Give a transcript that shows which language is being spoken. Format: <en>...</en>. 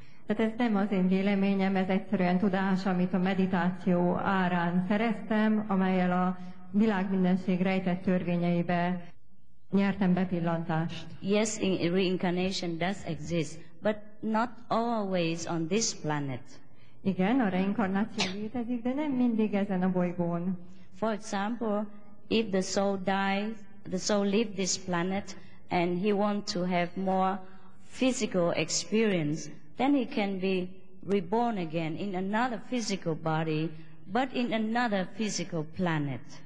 <hu>Tehát ez nem az én véleményem, ez egyszerűen tudás, amit a meditáció árán szereztem, amelyel a világ mindenség rejtett törvényeibe nyertem bepillantást.</hu> <en>Yes, reincarnation does exist, but not always on this planet.</en> <hu>Igen, a reinkarnáció létezik, de nem mindig ezen a bolygón.</hu> <en>For example, if the soul dies, the soul leaves this planet and he wants to have more physical experience, then he can be reborn again in another physical body, but in another physical planet.</en>